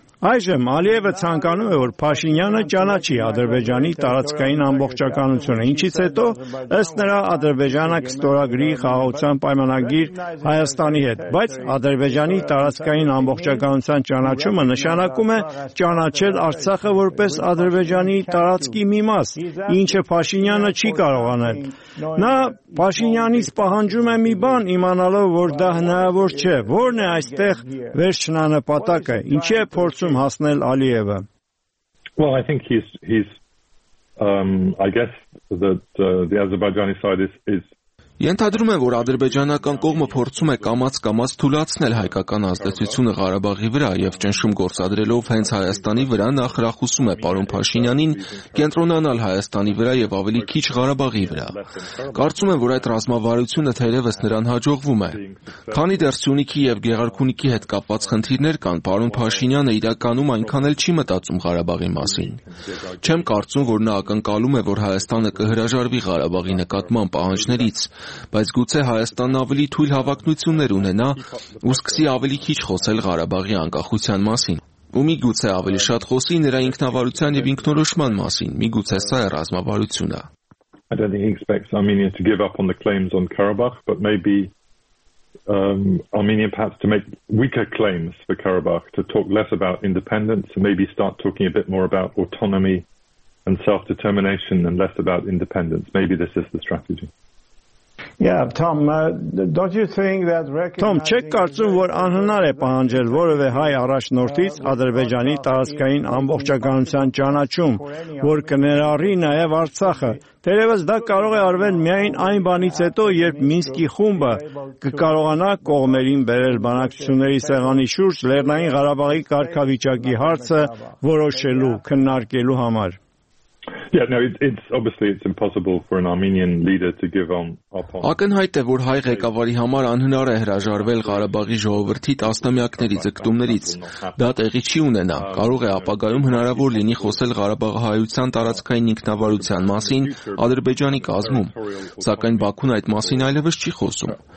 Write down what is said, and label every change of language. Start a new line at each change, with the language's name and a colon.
Armenian: Այժմ Ալիևը ցանկանում է, որ Փաշինյանը ճանաչի Ադրբեջանի տարածքային ամբողջականությունը, ինչից հետո ըստ նրա Ադրբեջանը կստորագրի խաղաղության պայմանագիր Հայաստանի հետ, բայց Ադրբեջանի տարածքային ամբողջականության ճանաչումը նշանակում է ճանաչել Արցախը որպես Ադրբեջանի տարածքի մի մաս, ինչը Փաշինյանը չի կարողանալ։ Նա Փաշինյանից պահանջում է մի բան, իմանալով, որ դա հնարավոր չէ։ Որն է այստեղ վերջնանպատակը, ինչի է փորձում հասնել Ալիևը։
English: Well, I think he's I guess that the Azerbaijani side is
Armenian: Ենթադրում եմ, որ ադրբեջանական կողմը փորձում է կամաց-կամաց թույլատնել հայկական ազդեցությունը Ղարաբաղի վրա եւ ճնշում գործադրելով հենց Հայաստանի վրա նախրախուսում է պարոն Փաշինյանին կենտրոնանալ Հայաստանի վրա եւ ավելի քիչ Ղարաբաղի վրա։ Կարծում եմ, որ այդ ռազմավարությունը թերևս նրան հաջողվում է։ Քանի դեռ Սյունիքի եւ Գեղարքունիքի հետ կապված խնդիրներ կան, պարոն Փաշինյանը իրականում այնքան էլ չի մտածում Ղարաբաղի մասին։ Չեմ կարծում, որ նա ակնկալում է, որ Հայաստանը կհրաժարվի Ղարաբաղի նկատմամբ պահանջներից, բայց գուցե Հայաստանն ավելի թույլ հավակնություններ ունենա ու սկսի ավելի քիչ խոսել Ղարաբաղի անկախության մասին, ու մի գուցե ավելի շատ խոսի նրա ինքնավարության եւ ինքնորոշման մասին, մի գուցե սա է ռազմավարությունը։
English: I don't think he expects Armenia to give up on the claims on Karabakh, but maybe Armenia perhaps to make weaker claims for Karabakh, to talk less about independence and maybe start talking a bit more about autonomy and self-determination and less about independence. Maybe this is the strategy. Yeah, Tom, don't you think that
Armenian: Tom, չեք կարծում, որ անհնար է պահանջել որևէ հայ առաջնորդից Ադրբեջանի տարածքային ամբողջականության ճանաչում, որ կներառի նաև Արցախը։ Դերևս դա կարող է արվել միայն այն բանից հետո, երբ Մինսկի խումբը կկարողանա կողմերին բերել բանակցությունների սեղանի շուրջ Լեռնային Ղարաբաղի կարգավիճակի հարցը որոշելու, քննարկելու համար։
English: Yeah, no, it's obviously it's impossible for an Armenian leader to give on
Armenian: Ակնհայտ է, որ հայ ղեկավարի համար անհնար է հրաժարվել Ղարաբաղի ժողովրդի տասնամյակների ձգտումներից։ Դա տեղի չի ունենա։ Կարող է ապագայում հնարավոր լինի խոսել Ղարաբաղի հայության տարածքային ինքնավարության մասին Ադրբեջանի կազմում, սակայն Բաքուն այդ մասին այլևս չի խոսում։